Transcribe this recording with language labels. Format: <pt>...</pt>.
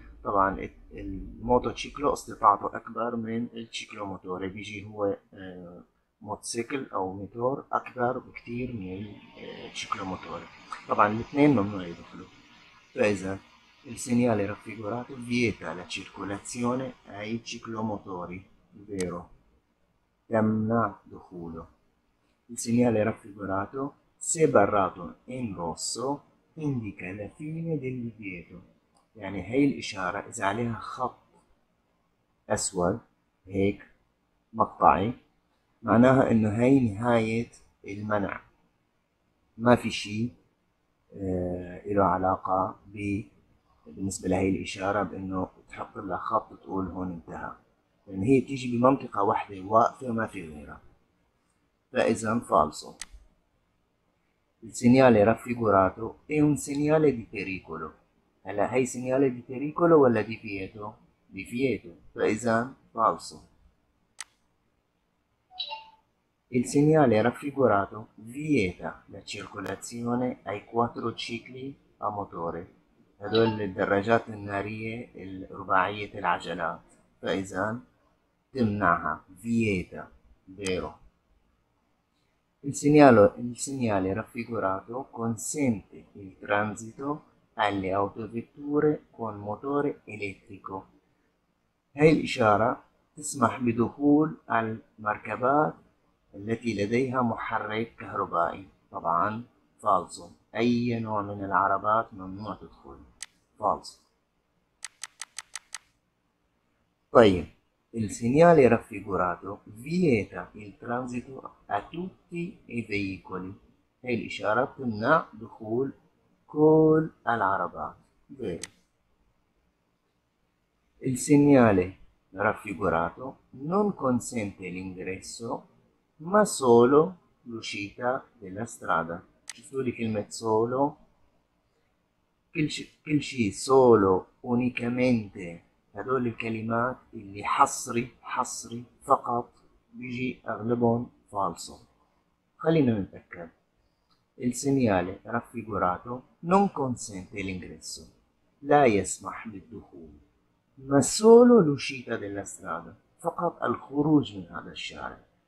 <ar>طبعا الموتوتشيكلو استطاعته أكبر من التشيكلوموتوري، بيجي هو موتوسيكل أو ميتور أكبر بكتير من التشيكلوموتوري. طبعا الاثنين ممنوع يدخلوا. فإذا السينيالي رافيغوراتو فيتا لا تشيركولازيوني أي تشيكلوموتوري،</ar> <it>vero،</it> <ar>تمنع دخوله.</ar> <it>Il segnale raffigurato, se barrato in rosso, indica la fine del divieto.</it> <ar>يعني هاي الإشارة إذا عليها خط أسود هيك مقطعي، معناها إنه هاي نهاية المنع، ما في شيء له علاقة بالنسبة لهاي الإشارة بإنه تحط لها خط تقول هون انتهى، لأن يعني هي بتيجي بمنطقة واحدة واقفة ما في غيرها. فإذا فالصو.</ar> <it>السينيالي رافيغوراتو إيه un segnale di pericolo.</it> <ar>هلا هي</ar> <it>سينيالي di pericolo ولا di vieto؟ di vieto.</it> <ar>فإذا فالصو.</ar> <it>Il segnale raffigurato vieta la circolazione ai quattro cicli a motore.</it> <ar>هذول الدراجات النارية الرباعية العجلات. فإذا تمنعها.</ar> <it>vieta. vero. Il segnale raffigurato consente il transito alle autovetture con motore elettrico.</it> <ar>هاي الإشارة تسمح بدخول المركبات التي لديها محرك كهربائي. طبعا فالص، أي نوع من العربات ممنوع تدخل، فالص.</ar> <it>طيب il segnale raffigurato vieta il transito a tutti i veicoli.</it> <ar>هاي الإشارة تمنع دخول كل العربات.</ar> <it>vero. il segnale raffigurato non consente l'ingresso ma solo l'uscita della strada.</it> <ar>شفتوا لي كلمة solo؟ كل شيء</ar> <it>solo unicamente.</it> <ar>هذول الكلمات اللي حصري حصري فقط بيجي أغلبهم فالصو. خلينا نتأكد. السينيالي رافيغوراتو نون كونسنتي لينغريسو، لا يسمح بالدخول، ما سولو لوشيتا ديلا سترادا، فقط الخروج من هذا الشارع.</ar>